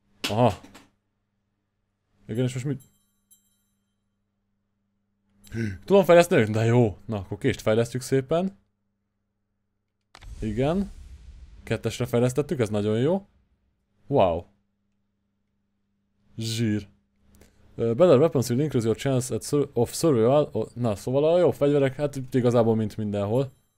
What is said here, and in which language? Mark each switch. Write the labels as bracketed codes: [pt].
[hu] Aha. Igen, és most mit? Tudom fejleszteni? De jó. Na, akkor kést fejlesztjük szépen. Igen. Kettesre fejlesztettük, ez nagyon jó. Wow. Zsír. [en] Better weapons will increase your chance at of survival. [hu] Na, szóval a jó fegyverek, hát igazából mint mindenhol.